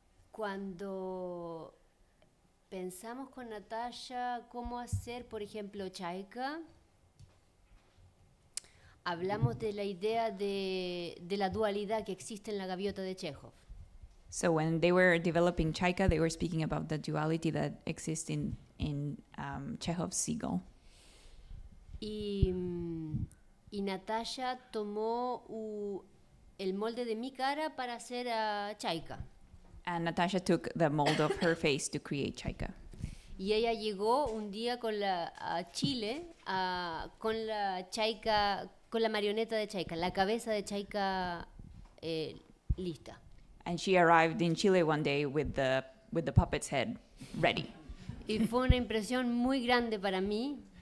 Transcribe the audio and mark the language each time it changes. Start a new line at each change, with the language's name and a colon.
Spanish: Cuando pensamos con Natacha cómo hacer, por ejemplo, Chayka, hablamos de la idea de la dualidad que existe en la gaviota de Chekhov.
English: So when they were developing Chayka, they were speaking about the duality that exists in Chekhov's seagull.
Spanish: Y Natacha tomó el molde de mi cara para hacer a Chayka.
English: And Natacha took the mold of her face to create Chayka.
Spanish: Y ella llegó un día con la a Chile a, con la Chayka, con la marioneta de Chayka, la cabeza de Chayka lista.
English: And she arrived in Chile one day with the puppet's head ready.
Spanish: Y fue una impresión muy grande para mí.